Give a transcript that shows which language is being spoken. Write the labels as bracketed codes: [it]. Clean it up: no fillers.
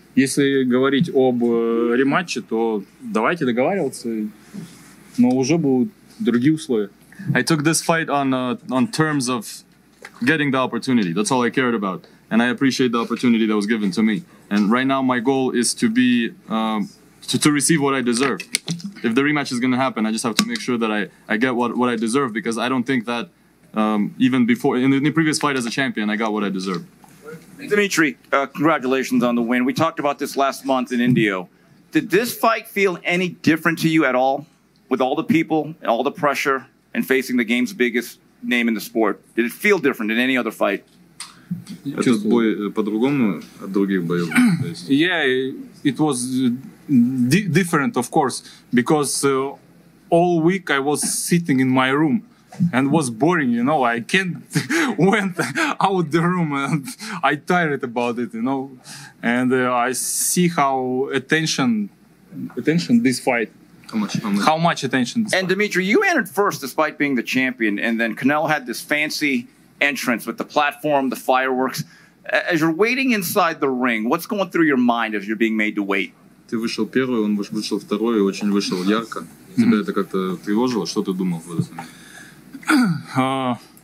[ru] Если говорить об рематче, то давайте договариваться. Но уже будут другие условия. [en] I took this fight on terms of getting the opportunity. That's all I cared about. And I appreciate the opportunity that was given to me. And right now, my goal is to be to receive what I deserve. If the rematch is going to happen, I just have to make sure that I get what I deserve, because I don't think that even before in the previous fight as a champion, I got what I deserve. Dmitry, congratulations on the win. We talked about this last month in Indio. Did this fight feel any different to you at all, with all the people, all the pressure, and facing the game's biggest name in the sport? Did it feel different than any other fight? [ru] Этот бой по-другому от других боев? [en] Yeah, it was different, of course, because all week I was sitting in my room and was boring, you know. I can't went out the room and I tired about it, you know. And I see how attention this fight. How much attention this fight. And Dmitry, you entered first despite being the champion, and then Canelo had this fancy entrance with the platform, the fireworks. As you're waiting inside the ring, what's going through your mind as you're being made to wait? [ru] Ты вышел первый, он вышел второй, очень вышел ярко. Тебя это как-то тревожило? Что ты думал в этот момент?